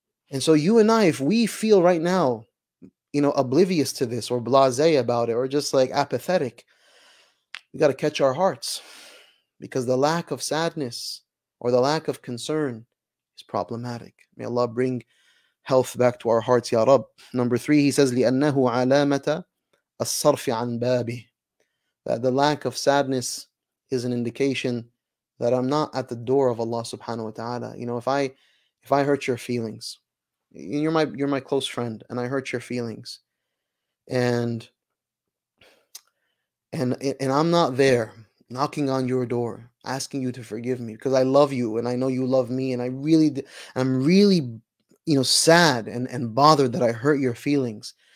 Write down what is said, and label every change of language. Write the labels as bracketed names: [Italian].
[English] And so you and I, if we feel right now, you know, oblivious to this or blasé about it or just like apathetic, we got to catch our hearts. Because the lack of sadness or the lack of concern is problematic. May Allah bring health back to our hearts, Ya Rab. Number three, he says, [Arabic] لِأَنَّهُ عَلَامَةَ الصَّرْفِ عَنْ بَابِهِ. [English] That the lack of sadness is an indication that I'm not at the door of Allah subhanahu wa ta'ala. You know, if I hurt your feelings, you're my close friend, and I hurt your feelings, and I'm not there knocking on your door, asking you to forgive me because I love you and I know you love me, and I'm really, you know, sad and bothered that I hurt your feelings.